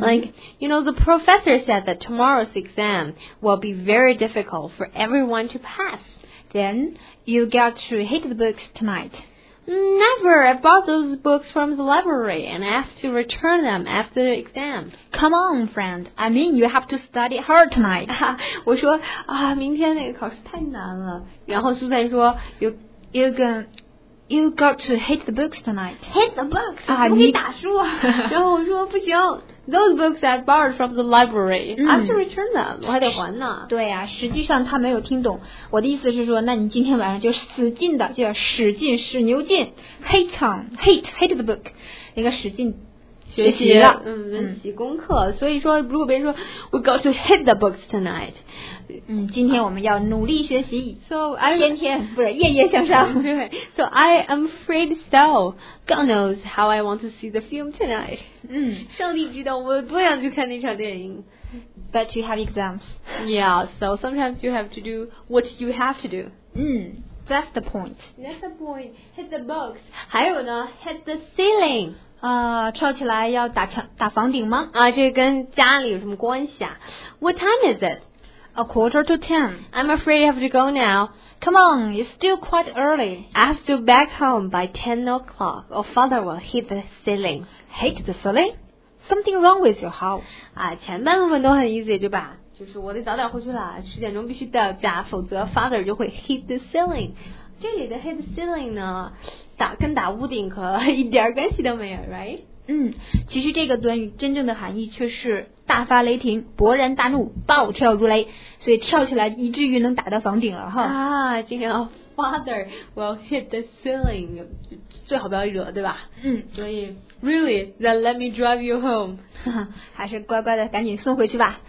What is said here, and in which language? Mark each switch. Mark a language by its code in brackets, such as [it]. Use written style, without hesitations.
[en] Like you know the professor said that tomorrow's exam will be very difficult for everyone to pass. Then you got to hit the books tonight. Never. I bought those books from the library and asked to return them after the exam. Come on, friend. I mean you have to study hard tonight. [zh] 我说啊，明天那个考试太难了。然后苏珊说 [en] you got to hit the books tonight. Hit the books? [zh] 我可以打书啊。然后我说不行， [en] those books I borrowed from the library. I have to return them. [zh] 我还得还呢。对啊，实际上他没有听懂。我的意思是说，那你今天晚上就使劲的，就要使劲使牛劲 ， [en] hit on hit the book， [zh] 那个使劲。学习了，嗯，温习功课。所以说，如果别人说 [en] we got to hit the books tonight， [zh] 嗯，今天我们要努力学习。 [en] So I 天天不是夜夜向上。对 ，So I am afraid so. God knows how I want to see the film tonight. 嗯， [zh] 上帝知道我多想去看那场电影。 [en] But you have exams. Yeah. So sometimes you have to do what you have to do. 嗯 ，That's the point. That's the point. Hit the books. [zh] 还有呢 [en] ，hit the ceiling。 [zh] 跳起来要打房顶吗？啊，这跟家里有什么关系啊 ？ [en] What time is it? A quarter to ten. I'm afraid I have to go now. Come on, it's still quite early. I have to back home by 10 o'clock, or father will hit the ceiling. Hit the ceiling? Something wrong with your house? [zh] 啊，前半部分都很 easy 对吧？就是我得早点回去了，十点钟必须到家，否则 father 就会 [en] hit the ceiling。 [zh] 这里的 hit the ceiling 呢，跟打屋顶可一点关系都没有 ，right？嗯，其实这个短语真正的含义却是大发雷霆、勃然大怒、暴跳如雷，所以跳起来以至于能打到房顶了哈。啊，这个 [en] father will hit the ceiling， [zh] 最好不要惹，对吧？嗯， [en] 所以 really then let me drive you home， [zh] 还是乖乖的赶紧送回去吧。